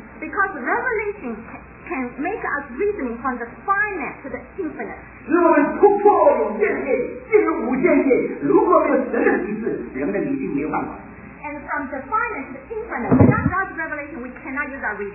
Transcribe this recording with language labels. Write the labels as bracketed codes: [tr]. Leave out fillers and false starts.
[en] Because revelation can make us reasoning from the finite to the infinite. [zh] 使我们突破有限界，进入无限界。如果没有神的启示，人的理性没有办法。 [en] And from the finite to the infinite, without God's revelation, we cannot use our reason.